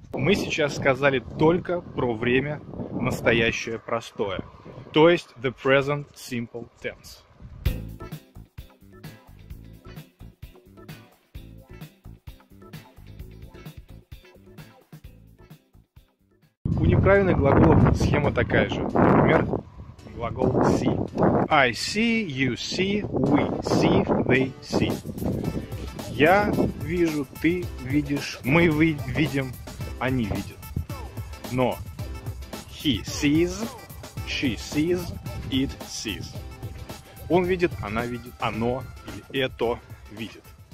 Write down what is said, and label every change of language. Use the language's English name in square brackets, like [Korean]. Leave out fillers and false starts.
[Russian] Мы сейчас сказали только про время настоящее простое, то есть the present simple tense. У неправильных глаголов схема такая же. Например, глагол see. [English] I see, you see, we see, they see. [Russian] Я вижу, ты видишь, мы видим, они видят. [English] Но he sees, she sees, it sees. [Russian] Он видит, она видит, оно или это видит.